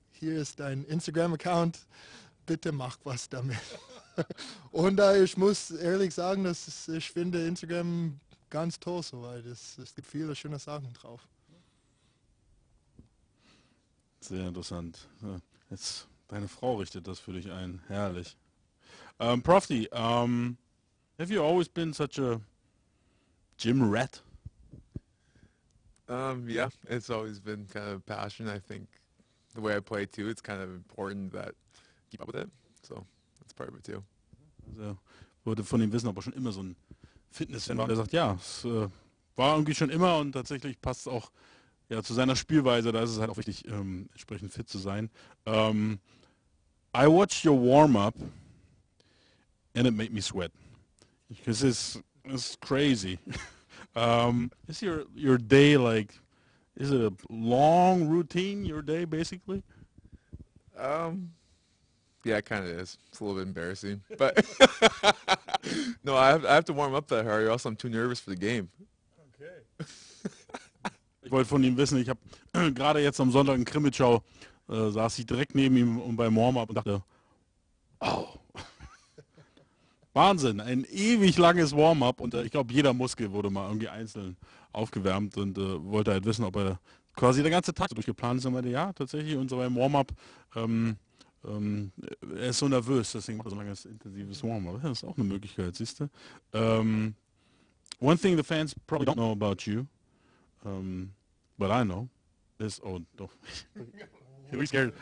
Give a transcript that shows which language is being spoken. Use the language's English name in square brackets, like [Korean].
[German] hier ist dein Instagram-Account, bitte mach was damit. Und ich muss ehrlich sagen, dass ich finde Instagram ganz toll soweit. Es gibt viele schöne Sachen drauf. Sehr interessant. Jetzt, deine Frau richtet das für dich ein. Herrlich. [English] Profi, have you always been such a gym rat? Yeah, it's always been kind of a passion. I think the way I play too, it's kind of important that I keep up with it. So that's part of it too. [German] Also, wurde von ihm wissen, ob er schon immer so ein Fitness-Fan war. Und er sagt, ja, es war irgendwie schon immer und tatsächlich passt es auch ja, zu seiner Spielweise. Da ist es halt auch wichtig, entsprechend fit zu sein. [English] I watched your warm-up and it made me sweat. Because it's crazy. is your day like, is it a long routine, your day basically? Yeah, it kind of is. It's a little bit embarrassing, but no, I have to warm up that hard, or else I'm too nervous for the game. [German] Okay. Ich wollte von ihm wissen. Ich habe gerade jetzt am Sonntag in Krimitschau saß ich direkt neben ihm und beim Warm-up und dachte, oh, Wahnsinn, ein ewig langes Warm-up und ich glaube jeder Muskel wurde mal irgendwie einzeln aufgewärmt und wollte halt wissen, ob er quasi der ganze Tag durchgeplant ist. Und meinte, ja, tatsächlich und so beim Warm-up. Er ist so nervös, deswegen macht er so langes intensives Warm-up. Das ist auch eine Möglichkeit, siehst du. [English] One thing the fans probably don't know about you, but I know, is, oh, no. Are we scared?